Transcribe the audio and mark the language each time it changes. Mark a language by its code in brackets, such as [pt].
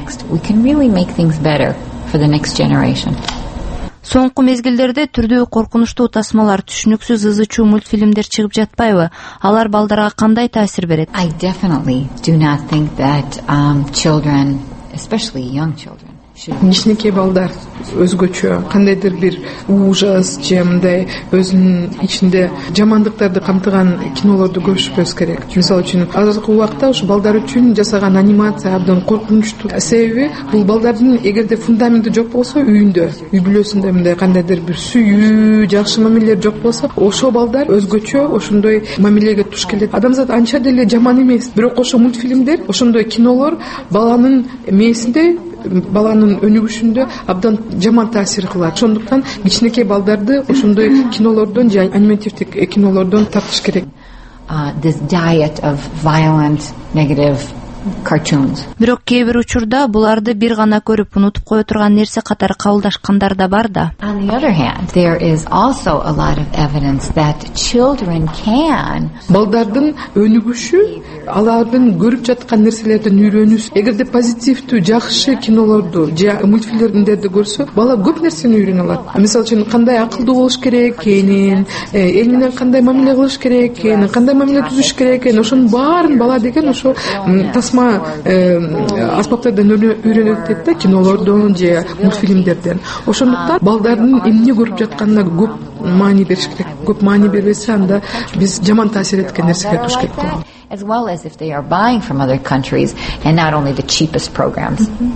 [en] We can really make things better for the next generation. [ky] Соңку мезгилдерде түрдүү коркунучтуу тасмалар, түшүнүксүз ызычуу мультфильмдер чыгып жатпайбы? Алар балдарга кандай таасир берет? [en] I definitely do not think that children, especially young children, [ky] кичинекей балдар өзгөчө кандайдыр бир ужас же мындай өзүнүн ичинде жамандыктарды камтыган кинолорду көрүшпөс керек. Мисалы үчүн азыркы убакта ушу балдар үчүн жасаган анимация абдан коркунучтуу. Себеби бул балдардын эгерде фундаменти жок болсо үйүндө, үй бүлөсүндө мындай кандайдыр бир сүйүү, жакшы мамилелер жок болсо ошо балдар өзгөчө ошондой мамилеге туш келет. Адамзат анча деле жаман эмес, бирок ошо мультфильмдер, ошондой кинолор баланын мээсинде, баланын өнүгүшүндө абдан жаман таасир кылат. Ошондуктан кичинекей балдарды ошондой кинолордон же анимативдик кинолордон тартыш керек. [en] This diet of violent negative cartoons. [ky] Бирок кээ бир учурда буларды бир гана көрүп унутуп кое турган нерсе катары кабылдашкандар да бар да. [en] On the other hand, there is also a lot of evidence that children can. [ky] Балдардын өнүгүшү алардын көрүп жаткан нерселерден үйрөнүш. Эгерде позитивдүү, жакшы кинолорду же мультфильмдерди көрсө, бала көп нерсени үйрөнө алат. Мисалы үчүн, кандай акылдуу болуш керек экенин, эл менен кандай мамиле кылыш керек экенин, кандай мамиле түзүш керек экенин, ошонун баарын бала деген ошо тасма аспаптардан үйрөнөт деп да, кинолордон же мультфильмдерден. Ошондуктан балдардын эмне көрүп жатканына көп маани бериш керек. Көп маани бербесе анда биз жаман таасир эткен нерсеге туш келип калабыз. [en] As well as if they are buying from other countries and not only the cheapest programs.